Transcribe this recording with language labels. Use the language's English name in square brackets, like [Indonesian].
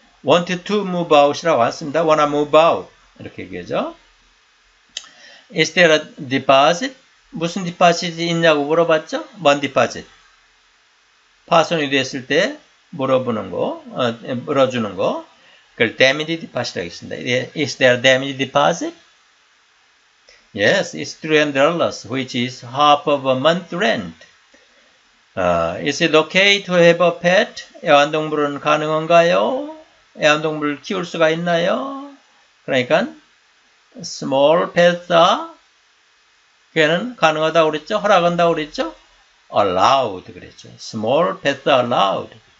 [English] Want to move out [Korean] 이라고 왔습니다. [English] Wanna move out. [Korean] 이렇게 얘기하죠. [English] Is there a deposit? [Korean] 무슨 deposit이 있냐고 물어봤죠? [English] One deposit. [Korean] 파손이 됐을 때 물어보는 거, 물어주는 거. 그걸 damage deposit라고 했습니다. [English] Is there a damage deposit? Yes, it's $300, which is half of a month rent. Is it okay to have a pet? [Korean] 애완동물은 가능한가요? 애완동물 키울 수가 있나요? 그러니까, [English] small pets are, [Korean] 걔는 가능하다고 그랬죠? 허락한다고 그랬죠? [English] allowed [Korean] 그랬죠. [English] small pets are allowed.